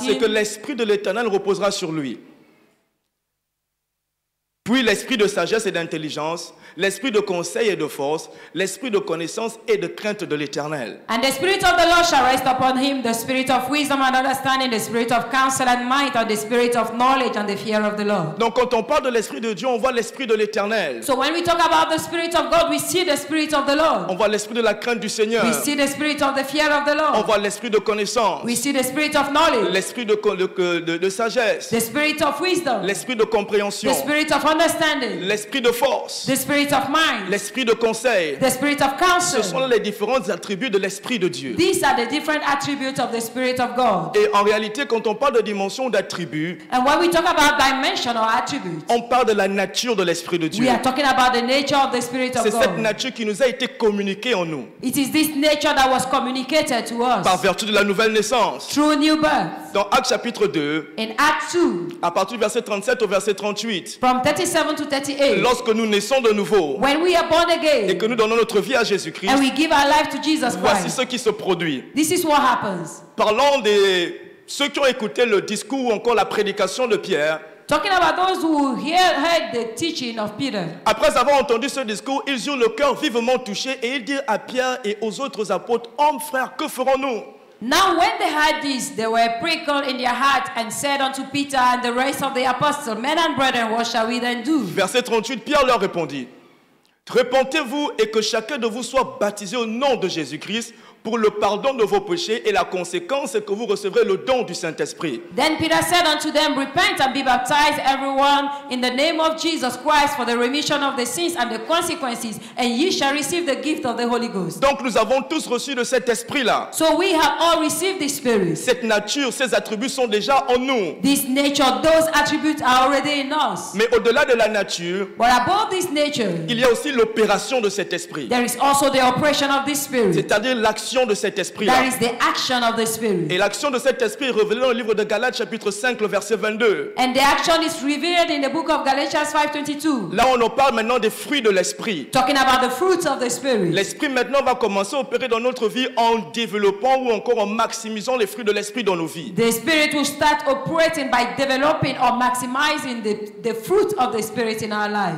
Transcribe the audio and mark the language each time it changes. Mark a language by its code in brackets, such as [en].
[fr] him? C'est que l'esprit de l'Éternel reposera sur lui. Puis l'esprit de sagesse et d'intelligence, l'esprit de conseil et de force, l'esprit de connaissance et de crainte de l'Éternel. [en] And the spirit of the Lord shall rest upon him, the spirit of wisdom and understanding, the spirit of counsel and might, and the spirit of knowledge and the fear of the Lord. [fr] Donc quand on parle de l'esprit de Dieu, on voit l'esprit de l'Éternel. [en] So when we talk about the spirit of God, we see the spirit of the Lord. [fr] On voit l'esprit de la crainte du Seigneur. [en] We see the spirit of the fear of the Lord. [fr] On voit l'esprit de connaissance. [en] We see the spirit of knowledge. [fr] L'esprit de sagesse. [en] The spirit of wisdom. [fr] L'esprit de compréhension. [en] The spirit of understanding. [fr] L'esprit de force. [en] The spirit of mind. [fr] L'esprit de conseil. [en] The spirit of counsel. [fr] Ce sont les différents attributs de l'esprit de Dieu. [en] These are the different attributes of the spirit of God. [fr] Et en réalité, quand on parle de dimension d'attributs, [en] and when we talk about dimension or attributes, [fr] on parle de la nature de l'esprit de Dieu. [en] We are talking about the nature of the spirit of God. [fr] C'est cette nature qui nous a été communiquée en nous. [en] It is this nature that was communicated to us. [fr] Par vertu de la nouvelle naissance. [en] Through new birth. [fr] Dans Actes chapitre 2. [en] In Acts 2. [fr] À partir du verset 37 au verset 38. [en] From 37 to 38. [fr] Lorsque nous naissons de nouveau. [en] When we are born again. [fr] Et que nous donnons notre vie à Jésus-Christ. [en] And we give our life to Jesus Christ. [fr] Voici ce qui se produit. [en] This is what happens. [fr] Parlons de ceux qui ont écouté le discours ou encore la prédication de Pierre. [en] Talking about those who heard the teaching of Peter. [fr] Après avoir entendu ce discours, ils eurent le cœur vivement touché et ils dirent à Pierre et aux autres apôtres, hommes frères, que ferons-nous? [en] Now when they heard this, they were prickled in their heart and said unto Peter and the rest of the apostles, men and brethren, what shall we then do? [fr] Verset 38, Pierre leur répondit, repentez-vous et que chacun de vous soit baptisé au nom de Jésus-Christ pour le pardon de vos péchés, et la conséquence est que vous recevrez le don du Saint-Esprit. [en] Then Peter said unto them, repent and be baptized everyone in the name of Jesus Christ for the remission of the sins and the consequences, and ye shall receive the gift of the Holy Ghost. [fr] Donc nous avons tous reçu de cet esprit-là. [en] So we have all received this spirit. [fr] Cette nature, ces attributs sont déjà en nous. [en] This nature, those attributes are already in us. [fr] Mais au-delà de la nature, [en] but above this nature, [fr] il y a aussi l'opération de cet esprit. [en] There is also the operation of this spirit. [fr] C'est-à-dire l'action de cet esprit-là. [en] That is the action of the spirit. [fr] Et l'action de cet esprit est révélée dans le livre de Galates chapitre 5 le verset 22. [en] And the action is revealed in the book of Galatians 5:22. [fr] Là, on en parle maintenant des fruits de l'esprit. [en] Talking about the fruits of the spirit. [fr] L'esprit maintenant va commencer à opérer dans notre vie en développant ou encore en maximisant les fruits de l'esprit dans nos vies. [en] The spirit will start operating by developing or maximizing the fruit of the spirit in our lives.